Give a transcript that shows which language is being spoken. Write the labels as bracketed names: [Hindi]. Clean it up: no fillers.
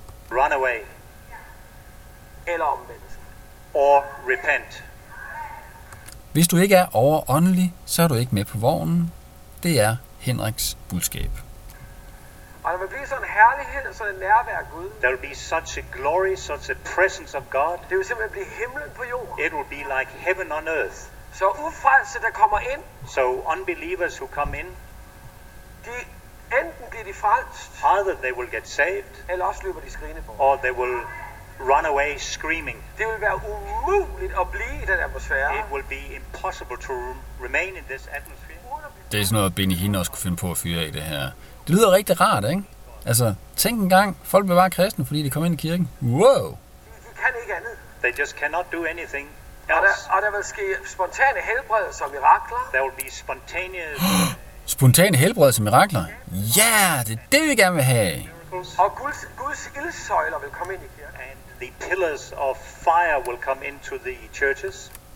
[English] Run away. [Danish] Eller omvendt. [English] Or repent. [Danish] Hvis du ikke er overåndelig, så er du ikke med på vognen. Det er Henriks budskab. Og Der vil blive sådan en herlighed, sådan en nærvær af Gud. [English] There will be such a glory, such a presence of God. [Danish] Det vil simpelthen blive himlen på jorden. [English] It will be like heaven on earth. [Danish] Så ufrelse, der kommer ind. [English] So unbelievers who come in. [Danish] De enten bliver de frelst. [English] Either they will get saved. [Danish] Eller også løber de skrigende på. [English] Or they will run away screaming. [Danish] Det vil være umuligt at blive i den atmosfære. [English] It will be impossible to remain in this atmosphere. [Danish] Det er sådan noget, Benny Hinn også kunne finde på at fyre af det her. Det lyder rigtig rart, ikke? Altså, tænk engang, folk bliver bare kristne, fordi de kommer ind i kirken. [English] Wow! [Danish] De kan ikke andet. [English] They just cannot do anything else. [Danish] Og der vil ske spontane helbredelser og mirakler. [English] There will be spontaneous... [Danish] spontane helbredelser og mirakler? Ja, yeah, det er det, vi gerne vil have! Og Guds ildsøjler vil komme ind i kirken. [English] And the pillars of fire will come into the churches.